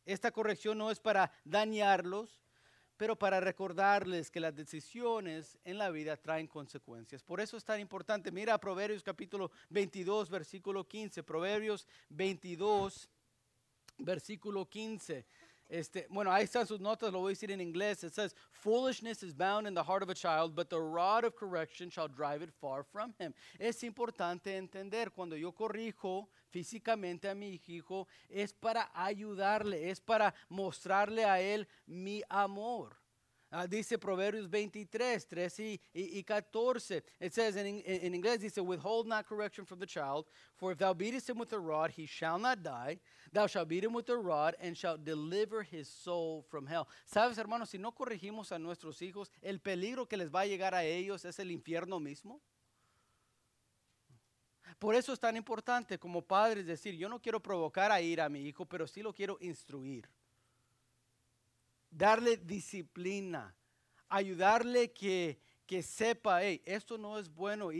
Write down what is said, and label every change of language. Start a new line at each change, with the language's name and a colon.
Spanish: Esta corrección no es para dañarlos, pero para recordarles que las decisiones en la vida traen consecuencias. Por eso es tan importante. Mira a Proverbios capítulo 22, versículo 15. Proverbios 22, versículo 15. Ahí están sus notas, lo voy a decir en inglés.
English: It says, foolishness is bound in the heart of a child, but the rod of correction shall drive it far from him.
Spanish: Es importante entender, cuando yo corrijo físicamente a mi hijo, es para ayudarle, es para mostrarle a él mi amor. Dice Proverbios 23, 13 y 14.
English: It says, in English,
Spanish: dice,
English: withhold not correction from the child, for if thou beatest him with a rod, he shall not die. Thou shalt beat him with a rod and shalt deliver his soul from hell.
Spanish: ¿Sabes, hermanos? Si no corregimos a nuestros hijos, el peligro que les va a llegar a ellos es el infierno mismo. Por eso es tan importante como padres decir, yo no quiero provocar a ira a mi hijo, pero sí lo quiero instruir. Darle disciplina, ayudarle que sepa,
English: hey,
Spanish: esto no es bueno.